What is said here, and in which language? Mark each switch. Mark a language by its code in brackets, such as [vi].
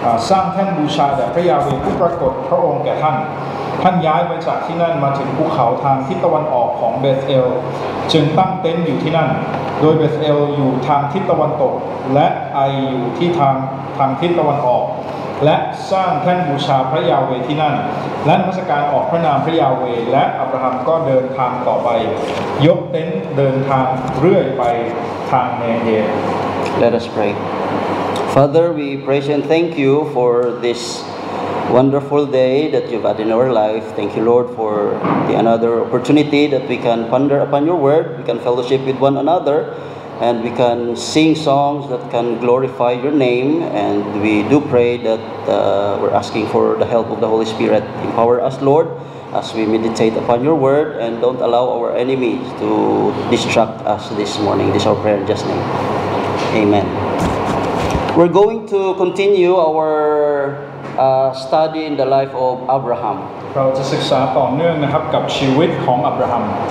[th] สร้างแท่นบูชาแด่พระยาห์เวทผู้ปรากฏพระองค์แก่ท่านย้ายไปจากที่นั่นมาถึงภูเขาทางทิศตะวันออกของเบธเอลจึงตั้งเต็นท์อยู่ที่นั่นโดยเบธเอลอยู่ทางทิศตะวันตกและไออยู่ที่ทางทิศตะวันออกและสร้างแท่นบูชาพระยาเวที่นั่นและนมัสการออกพระนามพระยาเวและอับราฮัมก็เดินทางต่อไปยกเต็นท์เดินทางเรื่อยไปทางเนเย [en] Let us pray. Father, we praise and thank you for this. Wonderful day that you've had in our life. Thank you, Lord, for the another opportunity that we can ponder upon your word, we can fellowship with one another, and we can sing songs that can glorify your name. And we do pray that we're asking for the help of the Holy Spirit. Empower us, Lord, as we meditate upon your word, and don't allow our enemies to distract us this morning. This is our prayer in Jesus' name. Amen. We're going to continue ourstudy in the life of Abraham. [th] เราจะศึกษาต่อเนื่องนะครับกับชีวิตของอับราฮัม